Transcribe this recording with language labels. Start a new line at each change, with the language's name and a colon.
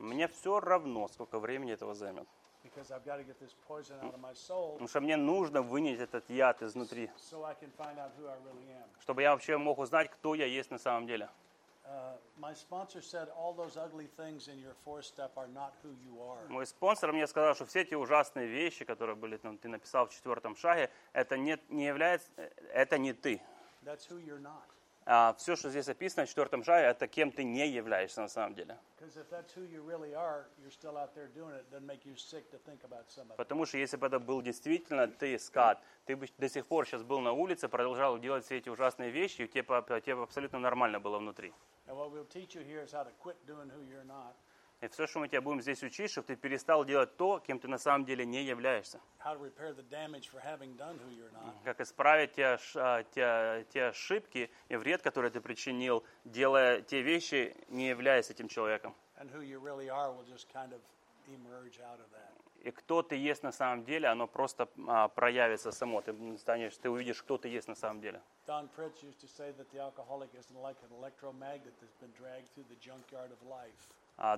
Russian: Мне все равно, сколько времени этого займет.
English: Because I've got to get this poison out of my soul,
Russian: потому что мне нужно вынести этот яд изнутри,
English: so I can find out who I really am.
Russian: Чтобы я вообще мог узнать, кто я есть на самом деле.
English: My sponsor said all those ugly things in your fourth step are not who you are.
Russian: Мой спонсор мне сказал, что все эти ужасные вещи, которые были там, ты написал в четвертом шаге, это не является, это не ты.
English: That's who you're not.
Russian: Все, что здесь описано в четвертом шаге, это кем ты не являешься на самом деле.
English: Because if that's who you really are, you're still out there doing it. It doesn't make you sick to think about some of it.
Russian: Потому что если бы это был действительно ты, Скат, ты бы до сих пор сейчас был на улице, продолжал делать все эти ужасные вещи, и тебе абсолютно нормально было внутри.
English: And what we'll teach you here is how to quit doing who you're not.
Russian: И все, что мы тебя будем здесь учить, чтобы ты перестал делать то, кем ты на самом деле не являешься.
English: How to repair the damage for having done who you're not.
Russian: Как исправить те ошибки и вред, который ты причинил, делая те вещи, не являясь этим человеком.
English: And who you really are will just kind of emerge out of that.
Russian: И кто ты есть на самом деле, оно просто проявится само. Ты увидишь, кто ты есть на самом деле.
English: Дон Притч used to say that the alcoholic isn't like an electromagnet that's been dragged through the junkyard of life.